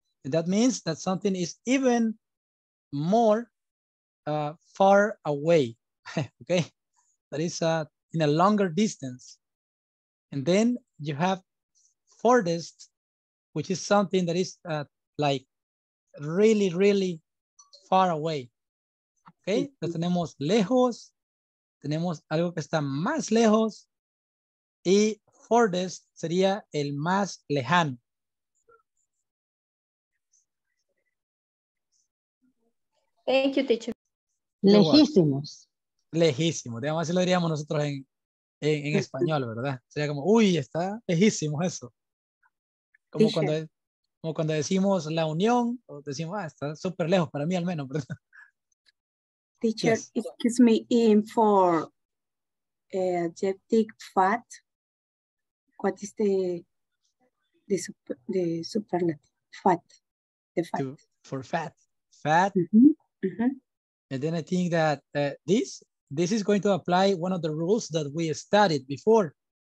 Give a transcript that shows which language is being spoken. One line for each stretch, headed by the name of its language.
English: And that means that something is even more far away. Okay. That is in a longer distance. And then you have furthest, which is something that is like really, really far away. Okay, mm-hmm.
Spanish: Entonces tenemos lejos, tenemos algo que está más lejos, y furthest sería el más lejano.
English: Thank you, teacher.
Spanish: Lejísimos. Lejísimos, digamos, así lo diríamos nosotros en español, ¿verdad? Sería como, uy, está lejísimo eso. Como cuando decimos la unión, o decimos, está súper lejos para mí al menos.
English: Teacher, yes. Excuse me, in for adjective fat, what is the superlative fat? The fat. For fat. Fat. Mm-hmm. Mm-hmm. And then I think that this is going to apply one of the rules that we studied before.